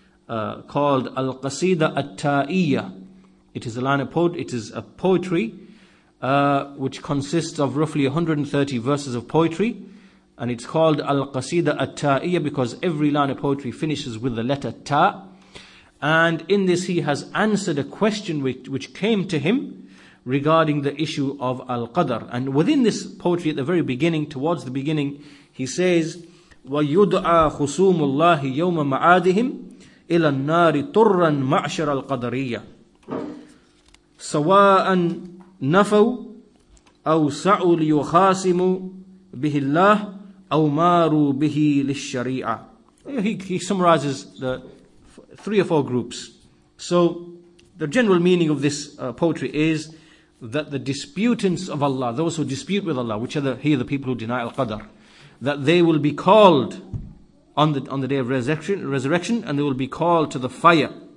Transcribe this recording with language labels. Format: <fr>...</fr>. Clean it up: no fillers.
<en>called Al-Qasida At-Ta'iyya. It is a line of poetry which consists of roughly 130 verses of poetry, and it's called Al-Qasida At-Ta'iyya because every line of poetry finishes with the letter Ta. And in this he has answered a question which came to him regarding the issue of Al-Qadr. And within this poetry at the very beginning, towards the beginning, he says,</en> <ar>وَيُدْعَى خُسُومُ اللَّهِ يَوْمَ مَعَادِهِمْ إِلَى النَّارِ طُرًّا مَعْشَرَ الْقَدَرِيَّةِ سَوَاءً نَفَوْ أَوْ سَعُوا لِيُخَاسِمُوا بِهِ اللَّهِ أَوْ مَارُوا بِهِ لِلشَّرِيعَةِ.</ar> <en>He summarizes the three or four groups. So the general meaning of this poetry is that the disputants of Allah, those who dispute with Allah, which are the people who deny Al-Qadr, that they will be called on the day of resurrection, and they will be called to the fire.</en>